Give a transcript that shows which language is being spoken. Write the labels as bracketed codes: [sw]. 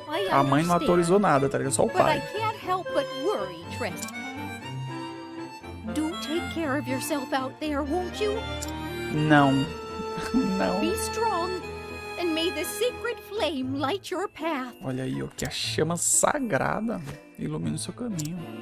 [pt] A mãe não autorizou nada, tá ligado? Só o pai. [en] But I can't help but worry, Tressa. Do take care of yourself out there, won't you? [pt] Não. Não. [en] Be strong. And may the sacred flame light your path. [pt] Olha aí, ó, que a chama sagrada ilumina o seu caminho.